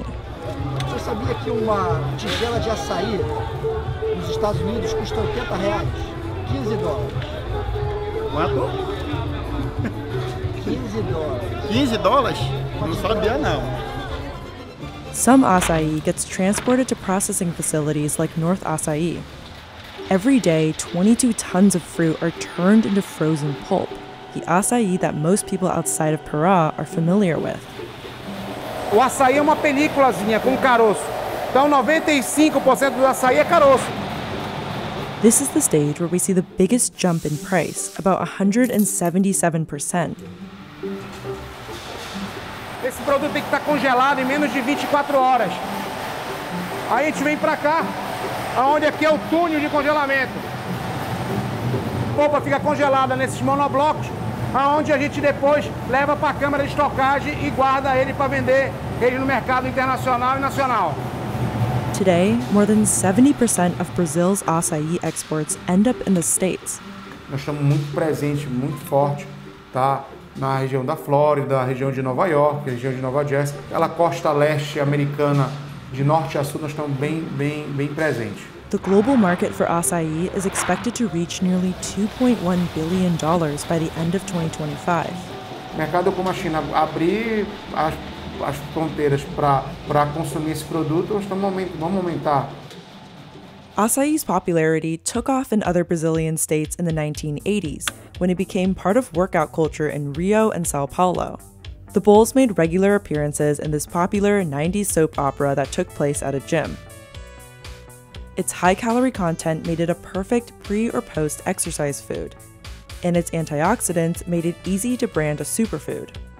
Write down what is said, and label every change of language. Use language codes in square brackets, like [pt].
[pt] Você sabia que uma tigela de açaí nos Estados Unidos custa R$ 80, $15? Quanto? $15. $15? Não sabia não. [en] Some acai gets transported to processing facilities like North Acai. Every day, 22 tons of fruit are turned into frozen pulp, the açaí that most people outside of Pará are familiar with. [pt] O açaí é uma peliculazinha com caroço. Então 95% do açaí é caroço. [en] This is the stage where we see the biggest jump in price, about 177%. [pt] Esse produto tem que estar congelado em menos de 24 horas. Aí a gente vem para cá. Onde aqui é o túnel de congelamento. A polpa fica congelada nesses monoblocos, aonde a gente depois leva para a câmara de estocagem e guarda ele para vender ele no mercado internacional e nacional. [en] Today, more than 70% of Brazil's açaí exports end up in the States. [pt] Nós estamos muito presente, muito forte, tá? Na região da Flórida, região de Nova York, região de Nova Jersey, aquela costa leste americana. De norte a sul, nós estamos bem presentes. [en] The global market for açaí is expected to reach nearly $2.1 billion by the end of 2025. [pt] O mercado como a China abrir as fronteiras para consumir esse produto, nós vamos aumentar. [en] Açaí's popularity took off in other Brazilian states in the 1980s, when it became part of workout culture in Rio and Sao Paulo. The Bulls made regular appearances in this popular 90s soap opera that took place at a gym. Its high calorie content made it a perfect pre or post exercise food, and its antioxidants made it easy to brand a superfood.